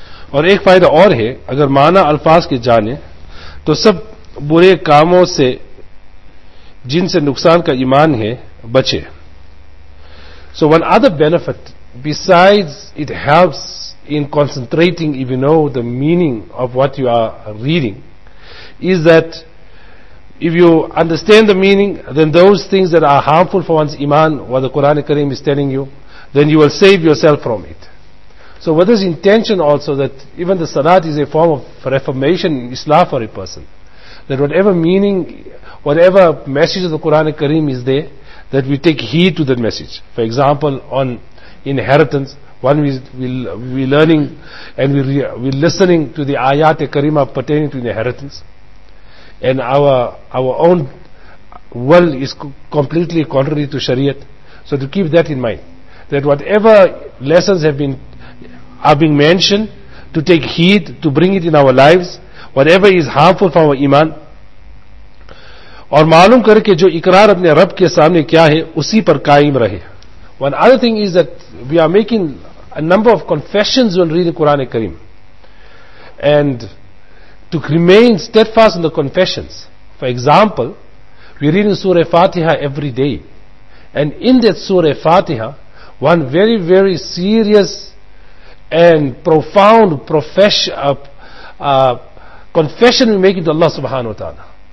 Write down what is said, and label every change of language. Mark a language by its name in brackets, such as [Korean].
[Urdu] اور ایک فائدہ اور ہے اگر معنی الفاظ کے جانے تو سب برے کاموں سے جن سے نقصان کا ایمان ہے بچے. [English] So one other benefit besides it helps in concentrating if you know the meaning of what you are reading is that if you understand the meaning, then those things that are harmful for one's iman, what the Quran Kareem is telling you, then you will save yourself from it. So with this intention also, that even the Salat is a form of reformation in Islam for a person, that whatever meaning, whatever message of the Quran Kareem is there, that we take heed to that message. For example, on inheritance, one we're learning and listening to the ayat karima pertaining to inheritance, and our own will is completely contrary to Shariat. So to keep that in mind, that whatever lessons are being mentioned, to take heed, to bring it in our lives, whatever is harmful for our iman. [Urdu] اور معلوم کر کے جو اقرار اپنے رب کے سامنے کیا ہے اسی پر قائم رہے. [English] One other thing is that we are making a number of confessions when reading Quran Kareem, and to remain steadfast in the confessions. For example, we read in Surah Fatiha every day, and in that Surah Fatiha, one very very serious and profound confession we make to Allah subhanahu wa ta'ala.